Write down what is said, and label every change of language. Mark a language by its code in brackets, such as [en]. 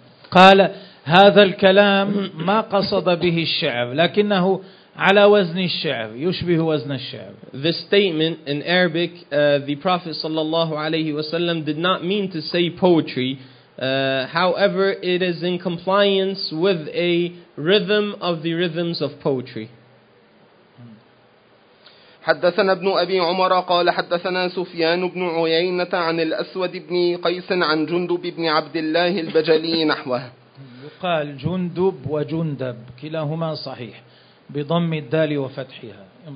[ar] قال هذا الكلام ما قصد به الشعر لكنه على وزن الشعر يشبه وزن الشعر. [en] This statement in Arabic, the Prophet [ar] صلى الله عليه وسلم [en] did not mean to say poetry. However, it is in compliance with a rhythm of the rhythms of poetry. [ar] حدثنا ابن أبي عمر قال حدثنا سفيان بن عيينة عن الأسود بن قيس عن جندب بن عبد الله البجلي نحوه. يقال جندب وجندب كلاهما صحيح بضم الدال وفتحها.